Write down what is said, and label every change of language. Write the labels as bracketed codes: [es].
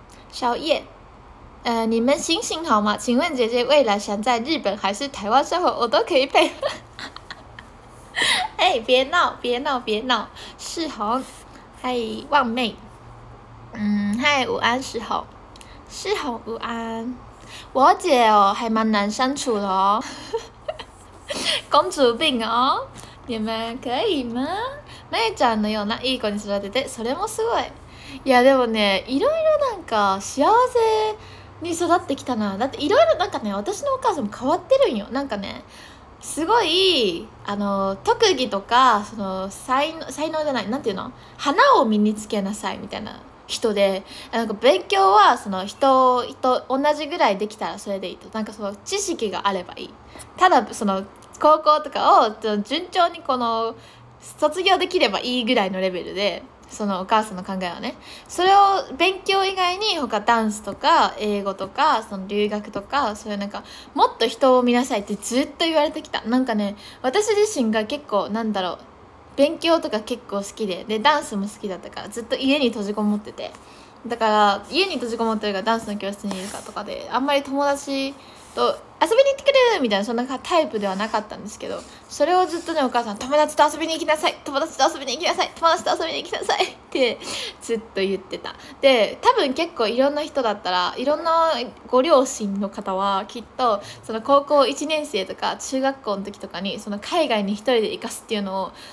[zh] 小叶，你们行行好吗？请问姐姐未来想在日本还是台湾生活，我都可以配合。哎，别闹，别闹，别闹，世宏。嗨，旺妹，嗨，午安，世宏，世宏，午安。我姐哦，还蛮难相处的哦，公主病哦，你们可以吗？ [ja] 妹ちゃんのようないい子に育てて、それもすごい。いやでもね、いろいろなんか幸せに育ってきたな。だっていろいろなんかね、私のお母さんも変わってるんよ。なんかね。すごい特技とかその才能じゃないなんていうの花を身につけなさいみたいな人でなんか勉強はその人と同じぐらいできたらそれでいいとなんかその知識があればいいただその高校とかを順調にこの卒業できればいいぐらいのレベルでそのお母さんの考えはねそれを勉強以外に他ダンスとか英語とかその留学とかそういうなんかもっと人を見なさいってずっと言われてきたなんかね私自身が結構なんだろう勉強とか結構好きででダンスも好きだったからずっと家に閉じこもっててだから家に閉じこもってるかダンスの教室にいるかとかであんまり友達と遊びに行ってくれるみたいなそんなタイプではなかったんですけどそれをずっとねお母さん友達と遊びに行きなさい友達と遊びに行きなさい友達と遊びに行きなさいってずっと言ってたで多分結構いろんな人だったらいろんなご両親の方はきっとその高校1年生とか中学校の時とかにその海外に一人で行かすっていうのを